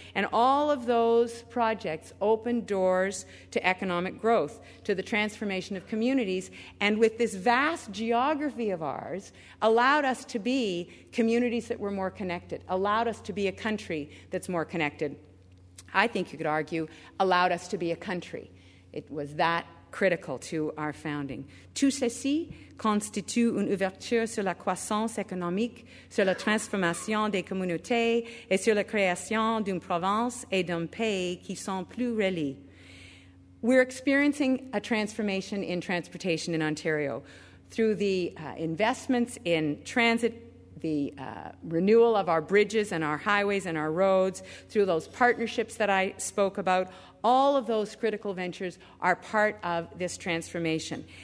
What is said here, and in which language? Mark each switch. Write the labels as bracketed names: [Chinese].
[English] And all of those projects opened doors to economic growth, to the transformation of communities, and with this vast geography of ours, allowed us to be communities that were more connected, allowed us to be a country that's more connected. I think you could argue allowed us to be a country. It was that critical to our founding. [French] Tout ceci constitue une ouverture sur la croissance économique, sur la transformation des communautés et sur la création d'une province et d'un pays qui sont plus reliés. [English] We're experiencing a transformation in transportation in Ontario through the investments in transit, the renewal of our bridges and our highways and our roads, through those partnerships that I spoke about. All of those critical ventures are part of this transformation.